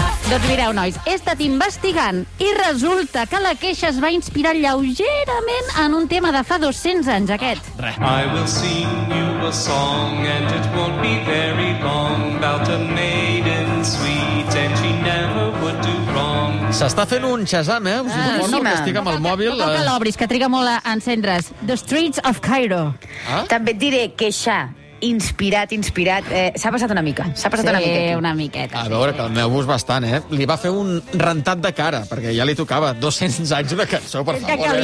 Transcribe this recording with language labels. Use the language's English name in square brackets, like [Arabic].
[Catalan] Doncs mireu, nois, he estat investigant i resulta que la Queixa es va inspirar lleugerament en un tema de fa 200 anys, aquest. [English] I will sing you a song and it won't be very long about a maiden sweet and she never would do wrong. [Catalan] S'està fent un Shazam, eh? Us suposo que estic amb el mòbil. No cal que l'obris, que triga molt a encendre's. [English] The Streets of Cairo. [Catalan] També et diré, Queixa, inspirat. S'ha passat una mica. Una miqueta. A veure, calmeu-vos bastant, eh? Li va fer un rentat de cara, perquè ja li tocava 200 anys de cançó, per favor.